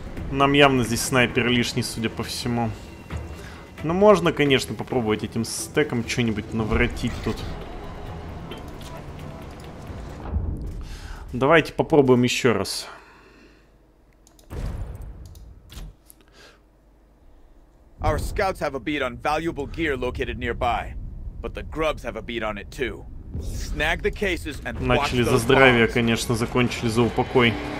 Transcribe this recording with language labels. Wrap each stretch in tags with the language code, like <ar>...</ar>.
<ru>Нам явно здесь снайпер лишний, судя по всему. Но можно, конечно, попробовать этим стеком что-нибудь навратить тут. Давайте попробуем еще раз.</ru> <en>Our scouts have a beat on valuable gear located nearby, but the grubs have a beat on it too. Snag the cases and watch.</en> <ru>Начали за здравие, конечно, закончили за упокой.</ru>